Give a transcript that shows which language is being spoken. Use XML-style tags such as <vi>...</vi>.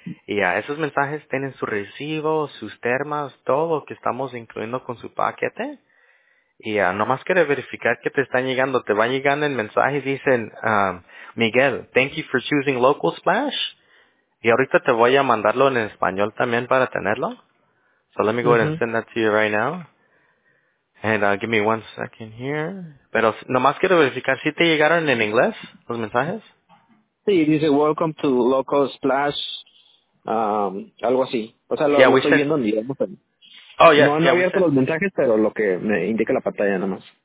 <es>Y a esos mensajes tienen su recibo, sus termas, todo lo que estamos incluyendo con su paquete. Y nomás quiere verificar que te están llegando. Te van llegando en mensajes y dicen,</es> <en>Miguel, thank you for choosing Local Splash.</en> <es>Y ahorita te voy a mandarlo en español también para tenerlo.</es> <en>So let me go ahead and send that to you right now. And give me one second here.</en> <es>Pero nomás quiero verificar si te llegaron en inglés los mensajes. Sí, dice,</es> <en>welcome to Local Splash.</en> <es>Algo así. O sea, lo estoy viendo en directo.</es> <en>Oh, yeah,</en> <es>no han abierto los mensajes, pero lo que me indica la pantalla nada más.</es>